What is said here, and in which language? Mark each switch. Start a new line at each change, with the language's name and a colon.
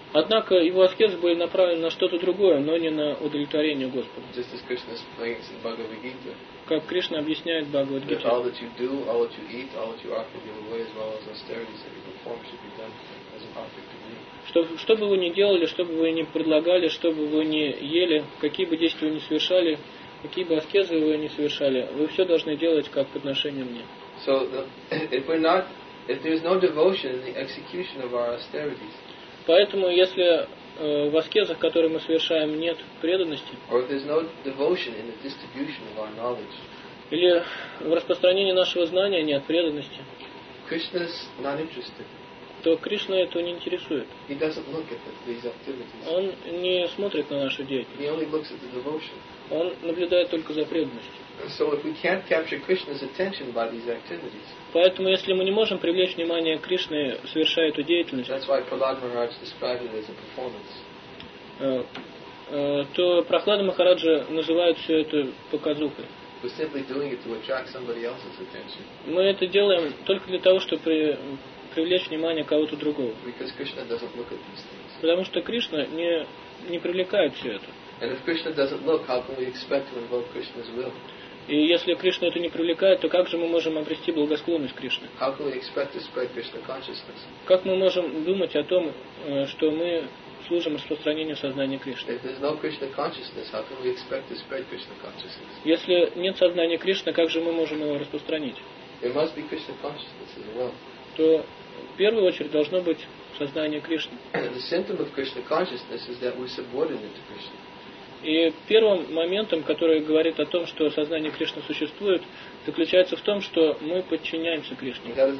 Russian: Однако его аскезы были направлены на что-то другое, но не на удовлетворение Господа.
English: Just as Krishna explains in Bhagavad Gita.
Russian: Как Кришна объясняет Бхагавад Гите.
English: All that you do, all that you eat, all that you offer, give away, as well as austerities that you perform, should be done as an offering to me.
Russian: Что бы вы ни делали, что бы вы ни предлагали, что бы вы ни ели, какие бы действия вы ни совершали, какие бы аскезы вы ни совершали, вы все должны делать как подношение мне.
English: So if there is no devotion in the execution of our austerities,
Russian: поэтому если в аскезах, которые мы совершаем, нет преданности,
English: or if there is no devotion in the distribution of our knowledge,
Russian: или в распространении нашего знания нет преданности,
English: Krishna is not interested.
Russian: То Кришна это не интересует.
English: He doesn't look at these activities.
Russian: Он не смотрит на нашу деятельность.
English: He only looks at the devotion.
Russian: Он наблюдает только за преданностью.
English: So if we can't capture Krishna's attention by these activities,
Russian: поэтому если мы не можем привлечь внимание Кришны, совершая эту деятельность,
English: that's why Prahlad Maharaj described it as a performance.
Russian: То Прохлада Махараджа называет все это показухой.
English: We're simply doing it to attract somebody else's attention.
Russian: Мы это делаем только для того, чтобы привлечь внимание кого-то другого.
English: Because Krishna doesn't look at these things.
Russian: Потому что Кришна не привлекает все это.
English: And if Krishna doesn't look, how can we expect to invoke Krishna's will?
Russian: И если Кришна это не привлекает, то как же мы можем обрести благосклонность Кришны?
English: How can we expect to spread Krishna consciousness?
Russian: Как мы можем думать о том, что мы служим распространению сознания Кришны?
English: If there's no Krishna consciousness, how can we expect to spread Krishna consciousness?
Russian: Если нет сознания Кришны, как же мы можем его распространить?
English: It must be Krishna consciousness as well.
Russian: То в первую очередь должно быть сознание Кришны.
English: The symptom of Krishna consciousness is that we're subordinate to Krishna.
Russian: И первым моментом, который говорит о том, что сознание Кришны существует, заключается в том, что мы подчиняемся Кришне.